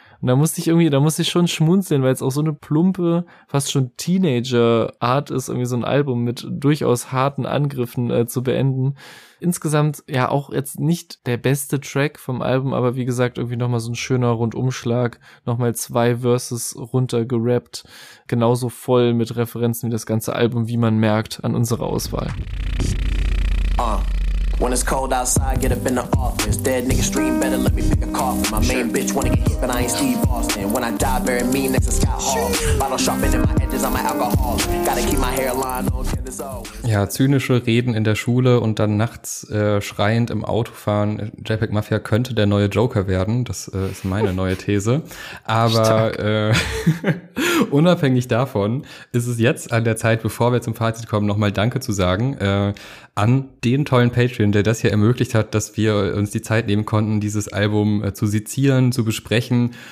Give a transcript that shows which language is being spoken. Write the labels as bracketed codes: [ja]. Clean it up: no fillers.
[de] Und da musste ich schon schmunzeln, weil es auch so eine plumpe, fast schon Teenager-Art ist, irgendwie so ein Album mit durchaus harten Angriffen zu beenden. Insgesamt ja auch jetzt nicht der beste Track vom Album, aber wie gesagt, irgendwie nochmal so ein schöner Rundumschlag, nochmal zwei Verses runtergerappt, genauso voll mit Referenzen wie das ganze Album, wie man merkt, an unserer Auswahl. [en] When it's cold outside, get up in the office. Dead nigga stream, better let me pick a coffin. My main bitch wanna get hit, but I ain't Steve Austin. When I die, bury me next to Scott Hall. Bottle sharpened in my edges, I'm an alcohol. Gotta keep my hairline on Candace Owens. [de] Ja, zynische Reden in der Schule und dann nachts schreiend im Auto fahren. JPEG Mafia könnte der neue Joker werden. Das ist meine neue These. Aber unabhängig davon ist es jetzt an der Zeit, bevor wir zum Fazit kommen, nochmal Danke zu sagen an den tollen Patreon, der das hier ermöglicht hat, dass wir uns die Zeit nehmen konnten, dieses Album zu sezieren, zu besprechen.